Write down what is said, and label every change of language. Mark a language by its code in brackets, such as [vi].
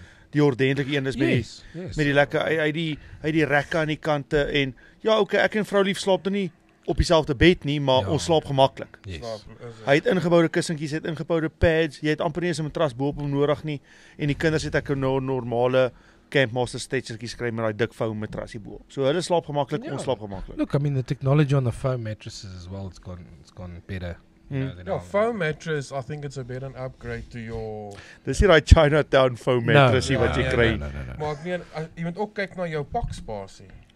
[af] Die ordentlike een is met die lekker uit die rekke aan die kante en ja, okay, ek en vrou lief slaap dan nie op dieselfde bed nie, maar ons slaap gemaklik. [en] Yes. [af] Hy het ingeboude kussinkies, hy het ingeboude pads, jy het amper nie 'n matras bo-op hom nodig nie en die kinders het ek 'n normale Campmaster stretchertjies kry met daai dik foam matras hier bo. So hulle slaap gemaklik, ons slaap gemaklik. [en] Look, I mean the technology on the foam mattresses as well, it's gone better. Mm. Yeah, foam mattress, I think it's a bit an upgrade to your... [af] Dis hier die Chinatown foam mattress wat jy kry. Maar ek meen, jy moet ook kyk na jou pakspasie.